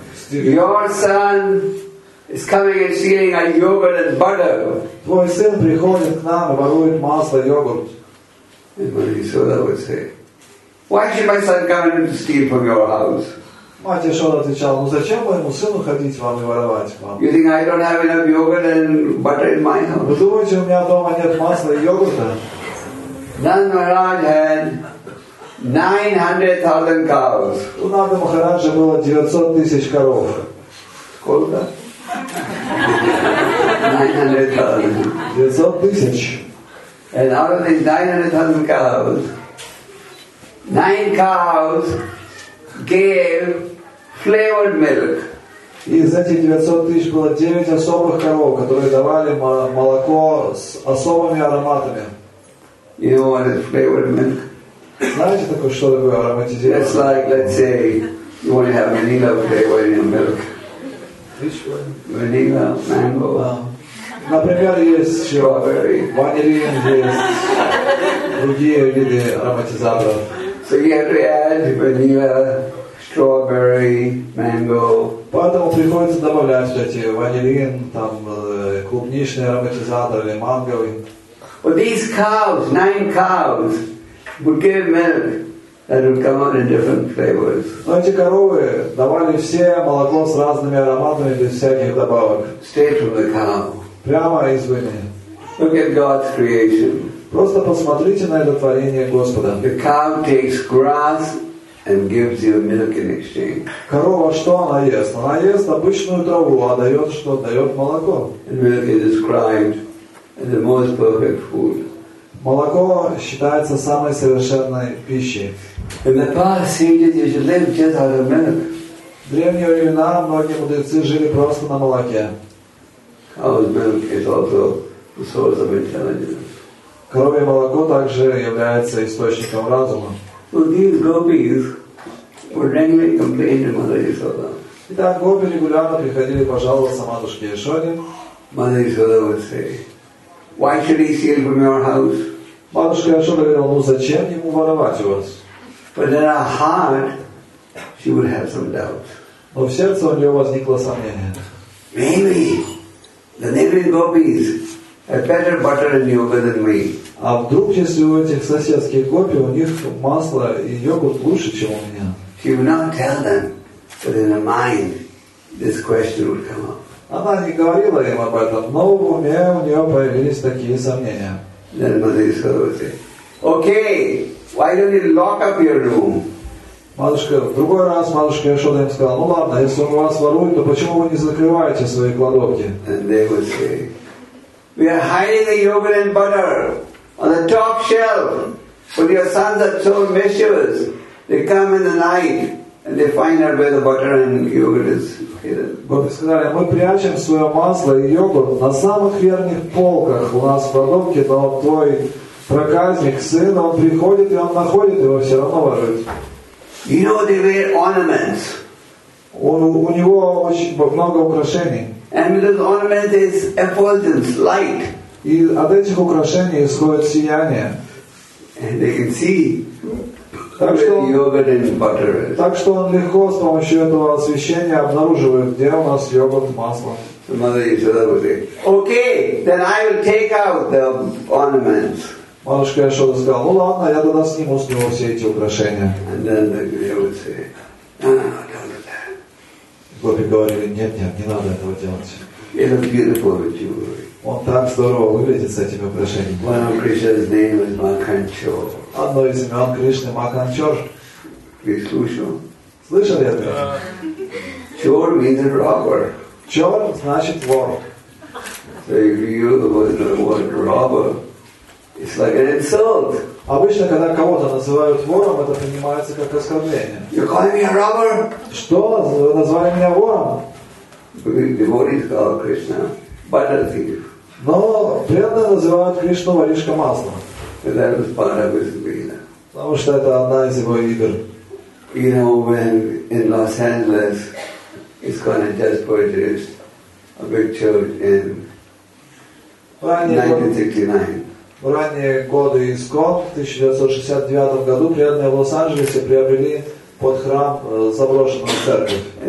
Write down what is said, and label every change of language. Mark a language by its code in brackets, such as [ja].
[en] Your son is coming and stealing our yogurt and butter. [ru] Твой сын приходит к нам и ворует масло и йогурт. [en] And Mother Yashoda would say, why should my son come and steal from your house? [ru] Мать Яшода отвечала, ну зачем моему сыну ходить вам и воровать вам? [en] You think I don't have enough yogurt and butter in my house? [ru] Вы думаете, у меня дома нет масла и йогурта? [en] Nand Maharaj had 900,000 cows. [ru] У Нанды Махараджа было 900,000 коров. Сколько? 900,000. [en] And out of these 900,000 cows, 9 cows gave flavored milk. [ru] Из этих 900,000 было 9 особых коров, которые давали молоко с особыми ароматами. [en] You know what is flavored milk? [ru] Знаете такое, что такое ароматизированное? [en] It's like, let's say, you want to have vanilla flavored in your milk. Vanilla, mango. [ru] Например, есть strawberry. Ванилин, есть другие виды ароматизаторов. [en] So you have to add vanilla, strawberry, mango. [ru] Поэтому приходится добавлять, кстати, ванилин, там клубничный ароматизатор или манговый. [en] But these cows, 9 cows, would give milk. That would come out in different flavors. [ru] Но эти коровы давали все молоко с разными ароматами без всяких добавок. [en] Straight from the cow. [ru] Прямо из вымени. [en] Look at God's creation. [ru] Просто посмотрите на это творение Господа. [en] The cow takes grass and gives you milk in exchange. [ru] Корова что она ест? Она ест обычную траву, а дает что? Дает молоко. [en] And milk is described as the most perfect food. [ru] Молоко считается самой совершенной пищей. [en] In the past ages, you should live just out of milk. [ru] В древние времена многие мудрецы жили просто на молоке. [en] Cow's milk is also the source of intelligence. [ru] Коровье молоко также является источником разума. [en] So these gopis would regularly complain to Mother Yashoda. [ru] Итак, гопи регулярно приходили пожаловаться матушке Яшоде. [en] Mother Yashoda would say, why should he steal from your house? [ru] Матушка Яшода говорила, ну зачем ему воровать у вас? [en] But in her heart, she would have some doubts. [ru] Но в сердце у нее возникло сомнение. [en] Maybe the neighboring gopis have better butter and yogurt than me. [ru] А вдруг, если у этих соседских гопи у них масло и йогурт лучше, чем у меня? [en] She would not tell them, but in her mind, this question would come up. [ru] Она не говорила им об этом, но в уме у нее появились такие сомнения. [en] Then Madhusudan would say, "Okay, why don't you lock up your room?" [ru] Матушка, в другой раз матушка Яшода им сказала, ну ладно, если он вас ворует, то почему вы не закрываете свои кладовки? [en] And they would say, "We are hiding the yogurt and butter on the top shelf, but your sons are so mischievous. They come in the night and they find out where the butter and yogurt is hidden." [ru] Сказали, мы прячем свое масло и йогурт на самых верхних полках у нас в кладовке, но твой проказник, сын, он приходит и он находит его все равно ворует. [en] You know they wear ornaments. [ru] У него очень много украшений. [en] And those ornaments is effulgence, light. [ru] И от этих украшений исходит сияние. [en] And they can see where yogurt and butter is. [ru] Так что он легко с помощью этого освещения обнаруживает, где у нас йогурт, масло. [en] Okay, then I will take out the ornaments. [ru] Матушка Яшода сказала, ну ладно, я тогда сниму с него все эти украшения. [en] And then they would say, no, don't do that. [ru] Гопи говорили, нет, не надо этого делать. [en] It is beautiful with jewelry. [ru] Он так здорово выглядит с этими украшениями. [en] One of Krishna's name is Makanchor. [ru] Одно из имен Кришны Маканчор. Ты слышал? Слышал я это? Чор means a robber. Чор значит вор. [en] So if you use the word robber, it's like an insult. [ru] Обычно, когда кого-то называют вором, это принимается как оскорбление. [en] You call me a robber? [ru] Что? Вы назвали меня вором? [en] Devotees call Krishna butter thief. [ru] Но преданные называют Кришну воришка масла. [en] That was part of his vina. [ru] Потому что это одна из его игр. [en] You know, when in Los Angeles, he's gonna just purchase a big church in 1969. [ru] В ранние годы ИСКОН, в 1969 году, преданные в Лос-Анджелесе приобрели под храм заброшенную церковь.